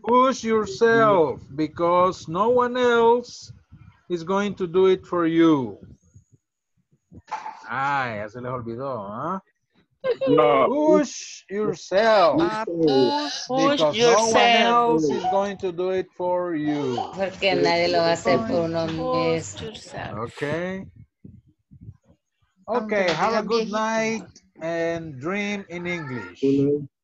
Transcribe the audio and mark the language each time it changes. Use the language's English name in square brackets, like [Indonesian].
[English] Push yourself because no one else is going to do it for you. [Spanish] Ay, ya se les olvidó, ¿eh? No. [English] Push yourself. Push yourself. No one else is going to do it for you. [Spanish] Porque nadie lo va a hacer por uno mismo. [English] Okay. Okay, have a good night and dream in English.